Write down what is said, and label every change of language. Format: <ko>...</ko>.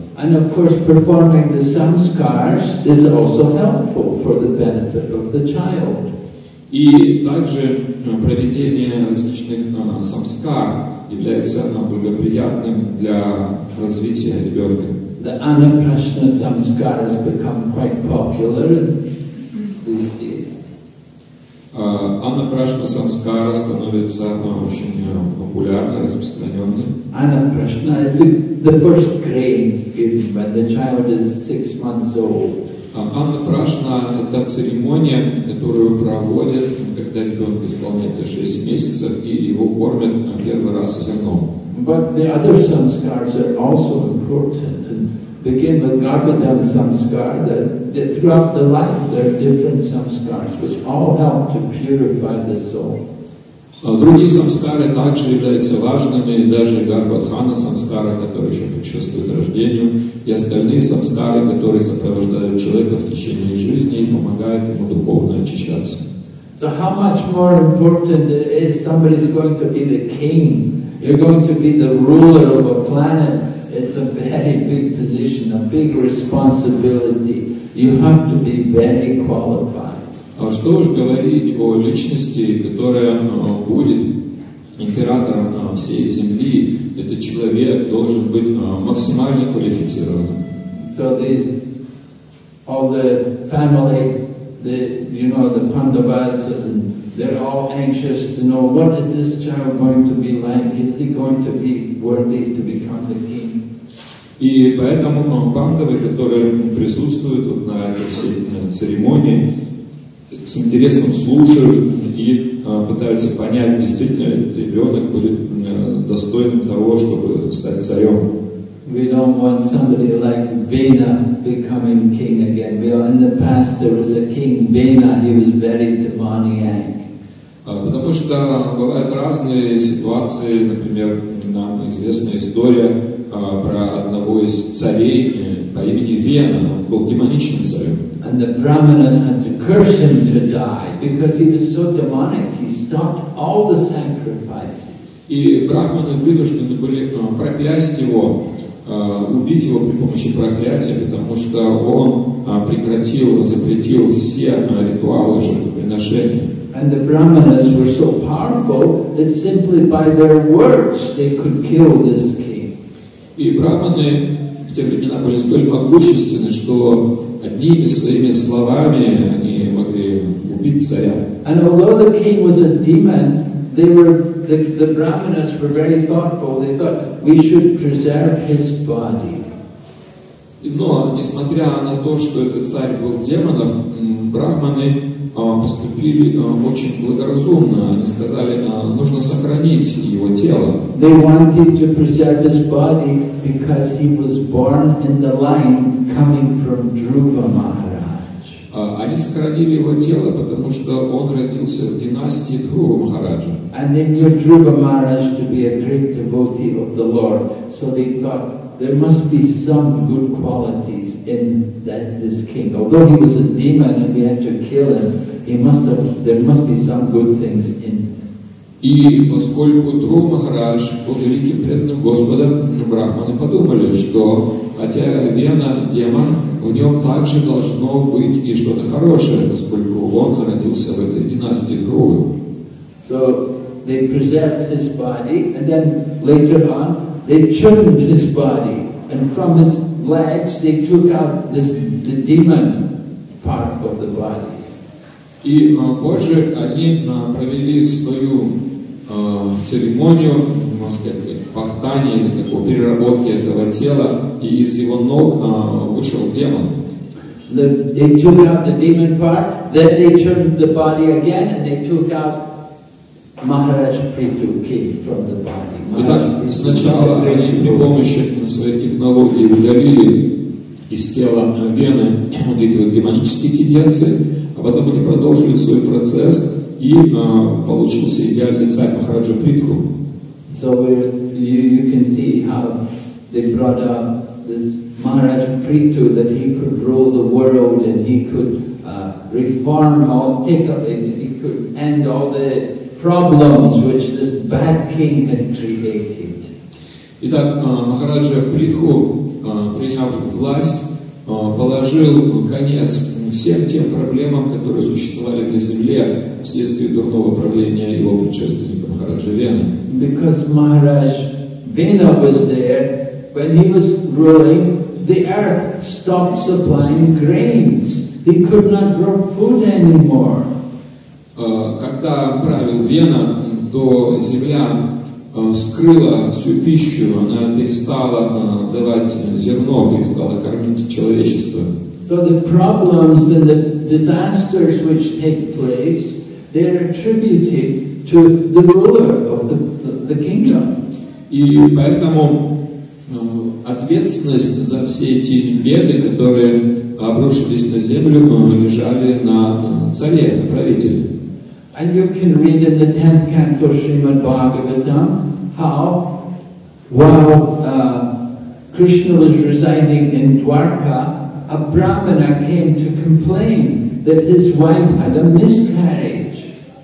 <en>And of course, performing the samskars is also helpful for the benefit of the child.</en> <ru>И также проведение различных самскар является благоприятным для развития ребенка.</ru> <en>The Anaprasna Samskar has become quite popular these days.</en> <ru>Anaprasna Samskara становится очень популярной, распространенной.</ru> <en>Anaprasna is the first grains given when the child is 6 months old.</en> <ru>Anaprasna – это церемония, которую проводят, когда ребенок исполняется 6 месяцев, и его кормят первый раз зерном.</ru> <en>But the other samskars are also important. Begin with Garbhadhan samskar, that throughout the life there are different samskars, which all help to purify the soul.</en> <ru>Другие самскары также являются важными, даже Гарбхадхана самскара, который еще предшествует рождению, и остальные самскары, которые сопровождают человека в течение жизни и помогают ему духовно очищаться.</ru> <en>So how much more important it is somebody is going to be the king, you're going to be the ruler of a planet. It's a very big position, a big responsibility. You have to be very qualified.</en> <ru>А что уж говорить о личности, которая будет императором всей земли? Этот человек должен быть максимально квалифицирован.</ru> <en>So these, all the family, the Pandavas, and they're all anxious to know what is this child going to be like? Is he going to be worthy to become the king?</en> <ru>И поэтому пандавы, которые присутствуют на этой всей церемонии, с интересом слушают и пытаются понять, действительно ли этот ребенок будет достойным того, чтобы стать царем.</ru> <en>We don't want somebody like Vena becoming king again. Well, in the past there was a king Vena, he was very demoniac.</en> <ru>Потому что бывают разные ситуации, например, нам известная история про одного из царей по имени Вена, он был демоничным царем.</ru> <en>And the brahmanas had to curse him to die because he was so demonic. He stopped all the sacrifices.</en> <ru>И брахманы вынуждены были проклясть его, убить его при помощи проклятия, потому что он прекратил, запретил все ритуалы жертвоприношения.</ru> <en>And the brahmanas were so powerful that simply by their words they could kill this king.</en> <ru>И брахманы в те времена были столь могущественны, что одними своими словами они могли убить царя.</ru> <en>And although the king was a demon, the brahmanas were very thoughtful. They thought we should preserve his body.</en> <ru>Но несмотря на то, что этот царь был демоном, брахманы поступили очень благоразумно. Они сказали, нужно сохранить его тело.</ru> <en>They wanted to preserve his body because he was born in the line coming from Dhruva Maharaj.</en> <ru>Они сохранили его тело, потому что он родился в династии Dhruva Maharaja.</ru> <en>And they knew Dhruva Maharaj to be a great devotee of the Lord. So they thought there must be some good qualities in that this king. Although he was a demon and we had to kill him, there must be some good things in him.</en> <ru>И поскольку Dhruva Maharaj был великим преданным Господом, брахманы подумали, что хотя Вена демон, в нем также должно быть и что-то хорошее, поскольку он родился в этой династии Dhruva.</ru> <en>So they preserved his body, and then later on they churned his body, and from his legs, they took out this, the demon part of the body.</en> <ru>И позже они провели свою церемонию, можно сказать, пахтание или такой переработки этого тела, и из его ног вышел демон.</ru> <en>They took out the demon part, then they turned the body again, and they took out Maharaj Prithu King from the body.</en> <ru>Итак, сначала они при помощи своих технологий удалили из тела вены вот эти вот демонические тенденции, а потом они продолжили свой процесс, и получился идеальный царь Махараджа Притху.</ru> <en>So you can see how they brought up this Maharaj Prithu, that he could rule the world and he could reform all, take up, and he could end all the problems which this bad king had created.</en> <ru>Итак, Махараджа Притху, приняв власть, положил конец всем тем проблемам, которые существовали на земле вследствие дурного правления его предшественника Махараджа Вены.</ru> <en>Because Maharaj Vena was there, when he was ruling, the earth stopped supplying grains. He could not grow food anymore.</en> <ru>Когда правил Вена, то земля скрыла всю пищу, она перестала давать зерно, перестала кормить человечество.</ru> <en>So the problems and the disasters which take place, they are attributed to the ruler of the kingdom.</en> <ru>И поэтому ответственность за все эти беды, которые обрушились на землю, лежали на царе, на правителе.</ru> <en>And you can read in the 10th canto Srimad Bhagavatam how, while Krishna was residing in Dwarka, a brahmana came to complain that his wife had a miscarriage.</en>